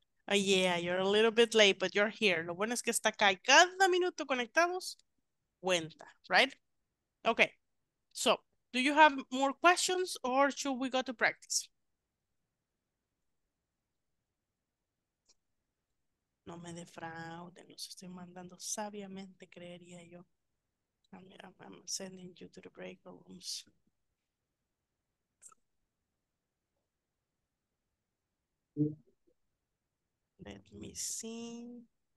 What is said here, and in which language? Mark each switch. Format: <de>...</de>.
<en>Yeah, you're a little bit late, but you're here.</en> <es>Lo bueno es que está acá y cada minuto conectados cuenta, right?</es> <en>Okay, so do you have more questions or should we go to practice?</en> <es>No me defrauden, los estoy mandando sabiamente, creería yo.</es> <en>I'm sending you to the break rooms. Let me see.</en>